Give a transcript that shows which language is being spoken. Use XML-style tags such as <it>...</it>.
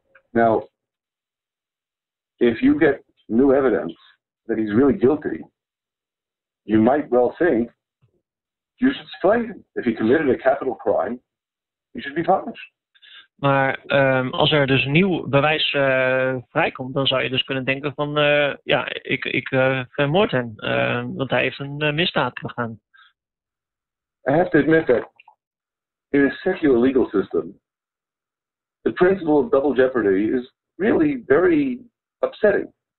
<en>Now, if you get new evidence that he's really guilty, you might well think you should slay him. If he committed a capital crime, he should be punished.</en> <nl>Maar als er dus nieuw bewijs vrijkomt, dan zou je dus kunnen denken van, ik vermoord hem, want hij heeft een misdaad begaan.</nl> <en>I have to admit that in a secular legal system, the principle of double jeopardy is really very upsetting.</en>